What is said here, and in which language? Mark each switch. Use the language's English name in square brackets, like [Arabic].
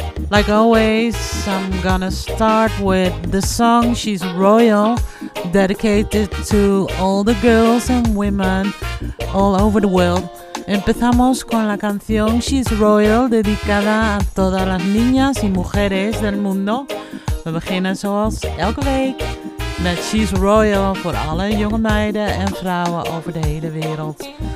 [English] Like always, I'm gonna start with the song She's Royal, dedicated to all the girls and women all over the world. [Spanish] Empezamos con la canción She's Royal, dedicada a todas las niñas y mujeres del mundo. [Dutch] We beginnen zoals elke week met She's Royal voor alle jonge meiden en vrouwen over de hele wereld.